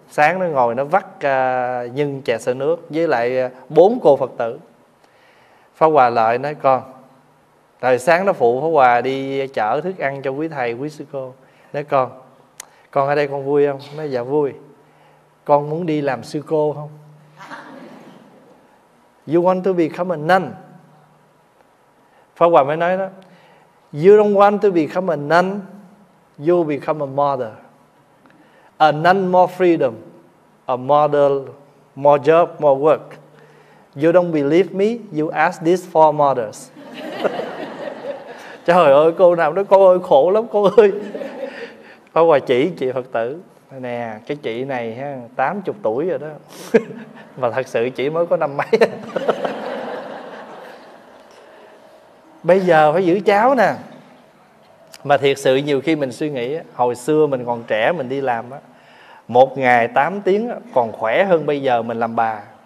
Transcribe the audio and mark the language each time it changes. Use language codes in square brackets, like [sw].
[vi] Sáng nó ngồi nó vắt nhân chè sữa nước với lại bốn cô Phật tử. Pháp Hòa lại nói, con thời sáng nó phụ Pháp Hòa đi chở thức ăn cho quý thầy quý sư cô. Nói, con ở đây con vui không? Nói, dạ vui. Con muốn đi làm sư cô không? [en] You want to become a nun? [vi] Pháp Hòa mới nói đó, [en] you don't want to become a nun, you become a mother. A nun more freedom, a mother more job, more work. You don't believe me, you ask these four mothers. [vi] Trời ơi, cô nào nói, cô ơi khổ lắm cô ơi. Pháp Hòa chỉ chị Phật tử, nè cái chị này 80 tuổi rồi đó. Mà thật sự chỉ mới có năm mấy. Bây giờ phải giữ cháu nè. Mà thiệt sự nhiều khi mình suy nghĩ, hồi xưa mình còn trẻ mình đi làm, một ngày 8 tiếng còn khỏe hơn bây giờ mình làm bà.